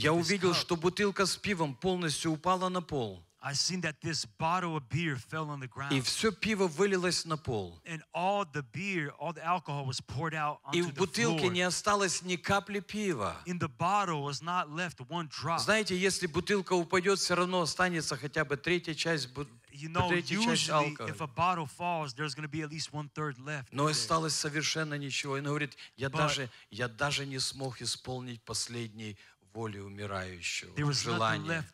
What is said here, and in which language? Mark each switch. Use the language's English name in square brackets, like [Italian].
[Russian] я увидел, [English] cup, [Russian] что бутылка с пивом полностью упала на пол. [English] I seen that this bottle of beer fell on the ground. [Russian] И все пиво вылилось на пол. [English] And all the beer, all the alcohol was poured out onto the floor. [Russian] И в бутылке не осталось ни капли пива. [English] In the bottle was not left one drop. [Russian] Знаете, если бутылка упадет, все равно останется хотя бы третья часть, [English] you know, [Russian] третья [English] usually, [Russian] часть алкоголя. [English] If a bottle falls, there's going to be at least one third left. [Russian] Но осталось совершенно ничего. И он говорит: я даже не смог исполнить последний воли умирающего, желания.